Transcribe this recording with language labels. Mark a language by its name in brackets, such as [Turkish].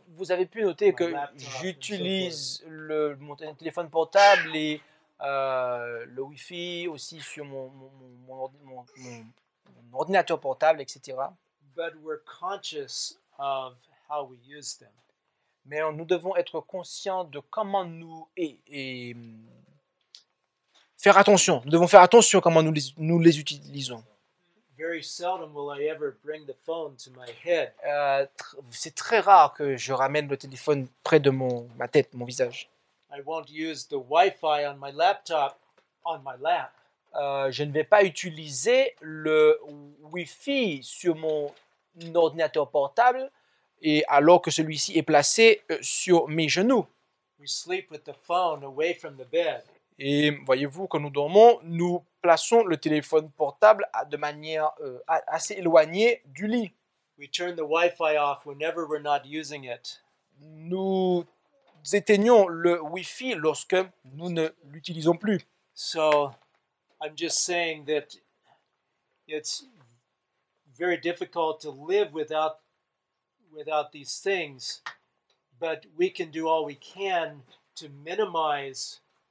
[French] Vous avez pu noter que j'utilise mon téléphone portable et le Wi-Fi aussi sur mon ordinateur portable, etc. [English] But we're conscious of how we use them. [French] Mais nous devons être conscients de comment nous et faire attention. Nous devons faire attention comment nous les utilisons. [English] Very seldom will I ever bring the phone to my head. [French] C'est très rare que je ramène le téléphone près de ma tête, mon visage. [English] I won't use the Wi-Fi on my laptop on my lap. [French] Je ne vais pas utiliser le Wi-Fi sur mon ordinateur portable et alors que celui-ci est placé sur mes genoux. [English] We sleep with the phone away from the bed. [French] Et voyez-vous, quand nous dormons, nous plaçons le téléphone portable de manière assez éloignée du lit. [English] We turn the Wi-Fi off whenever we're not using it. [French] Nous éteignons le Wi-Fi lorsque nous ne l'utilisons plus. [English] So, I'm just saying that it's very difficult to live without these things, but we can do all we can to minimize.